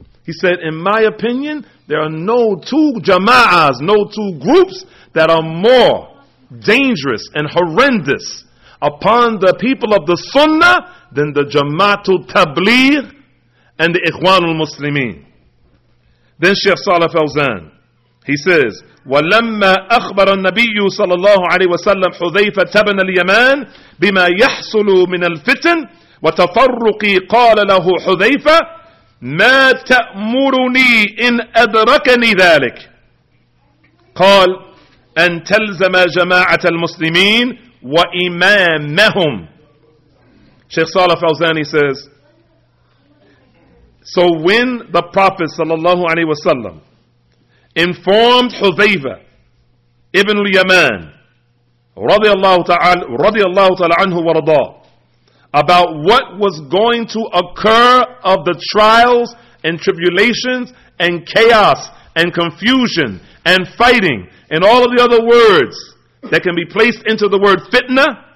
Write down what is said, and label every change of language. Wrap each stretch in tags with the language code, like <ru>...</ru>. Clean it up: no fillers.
<en>He said, in my opinion, there are no two jama'as, no two groups that are more dangerous and horrendous upon the people of the sunnah than the jama'atul tabligh and the ikhwanul muslimin. Then Sheikh Salaf al-Zain, he says,</en> <ar>وَلَمَّا أَخْبَرَ النَّبِيُّ صَلَى اللَّهُ عَلَيْهِ وَسَلَّمْ حُذَيْفَ تَبْنَ الْيَمَانِ بِمَا يَحْصُلُ مِنَ الْفِتْنِ وَتَفَرُّقِ قَالَ لَهُ حُذَيْفَ مَا تَأْمُرُنِي إِنْ أَدْرَكَنِي ذَلِكَ قَالَ أَنْ تَلْزَمَ جَمَاعَةَ الْمُسْلِمِينَ وَإِمَامَهُمْ.</ar> <en>Sheikh Salaf al-Zain says, so when the Prophet sallallahu alaihi wasallam informed Hudhayfa ibn al-Yaman radiyallahu ta'ala anhu wa rada about what was going to occur of the trials and tribulations and chaos and confusion and fighting and all of the other words that can be placed into the word fitna,</en>